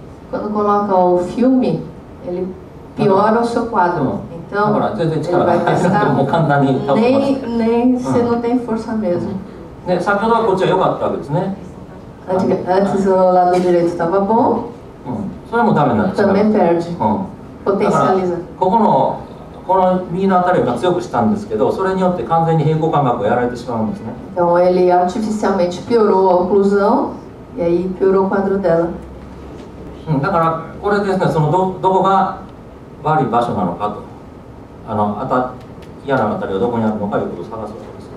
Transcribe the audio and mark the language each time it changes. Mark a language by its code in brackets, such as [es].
[pt] Quando coloca o filme, ele piora o seu quadro. Então, ele vai testar nem se não tem força mesmo. Antes o lado direito estava bom. [ja] それもダメなんですよ。ポテンシャリゼ。ここのこの右のあたりが強くしたんですけど、それによって完全に平衡感覚をやられてしまうんですね。 [pt] Então ele artificialmente piorou a oclusão e aí piorou o quadro dela。 [ja] だからこれですね、その どこが悪い場所なのかと、あた嫌なあたりがどこにあるのかいうことを探すわけです。